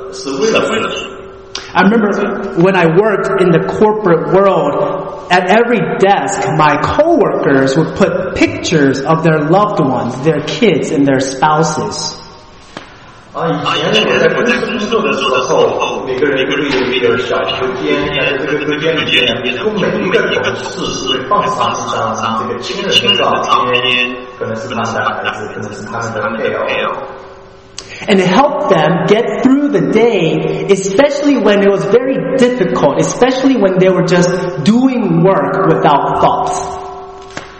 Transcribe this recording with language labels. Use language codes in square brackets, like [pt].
[en] I remember when I worked in the corporate world, at every desk, my coworkers would put pictures of their loved ones, their kids, and their spouses. [zh] 以前我在工作的时候，每个人一个小秋天，这个秋天里面，每一个同事会放上一张这个亲人的照片，可能是他们的孩子，可能是他们的配偶。 [en] And it helped them get through the day, especially when it was very difficult, especially when they were just doing work without thoughts.